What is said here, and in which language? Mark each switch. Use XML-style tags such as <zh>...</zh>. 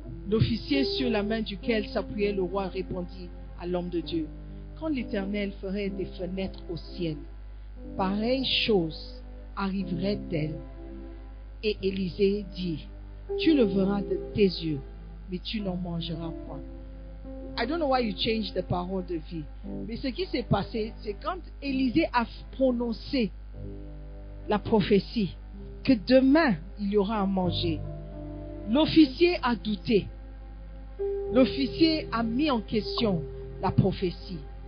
<fr>L'officier sur la main duquel s'appuyait le roi répondit à l'homme de Dieu, quand l'Éternel ferait des fenêtres au ciel, pareille chose arriverait-elle? Et Élisée dit, tu le verras de tes yeux, mais tu n'en mangeras point.</fr> <en>I don't know why you change the</en> <fr>parole de vie. Mais ce qui s'est passé, c'est quand Élisée a prononcé la prophétie que demain il y aura à manger, l'officier a douté. L'officier a mis en question la prophétie.</fr>